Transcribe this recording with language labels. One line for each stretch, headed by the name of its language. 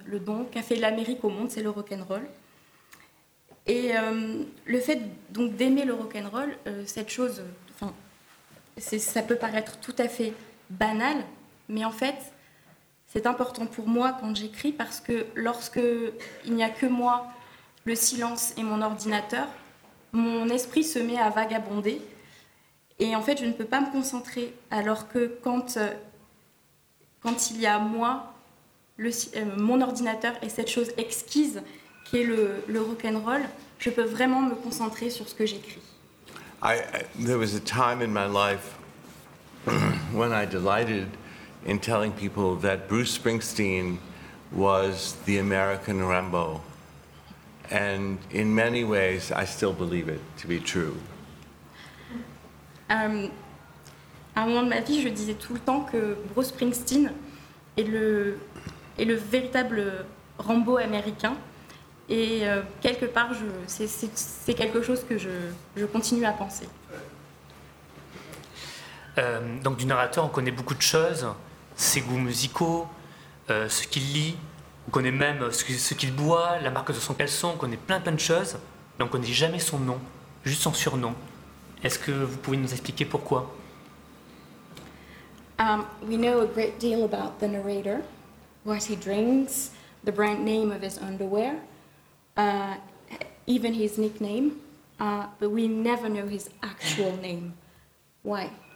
French: Le don qu'a fait l'Amérique au monde, c'est le rock'n'roll. Et le fait donc d'aimer le rock'n'roll, cette chose, ça peut paraître tout à fait banal, mais en fait, c'est important pour moi quand j'écris, parce que lorsque il n'y a que moi, le silence et mon ordinateur, mon esprit se met à vagabonder. Et en fait, je ne peux pas me concentrer, alors que quand il y a moi, mon ordinateur et cette chose exquise qu'est le rock'n'roll, je peux vraiment me concentrer sur ce que j'écris.
English: There was a time in my life when I delighted in telling people that Bruce Springsteen was the American Rambo. And in many ways, I still believe it to be true.
French: À un moment de ma vie, je disais tout le temps que Bruce Springsteen est le véritable Rambo américain. Et quelque part, c'est quelque chose que je continue à penser. Donc du narrateur, on connaît beaucoup de choses, ses goûts musicaux, ce qu'il lit, on connaît même ce qu'il boit, la marque de son caleçon, on connaît plein de choses, mais on ne connaît jamais son nom, juste son surnom. Est-ce que vous pouvez nous expliquer pourquoi?
English: We know a great deal about the narrator, what he drinks, the brand name of his underwear, even his nickname, but we never know his actual name. Why?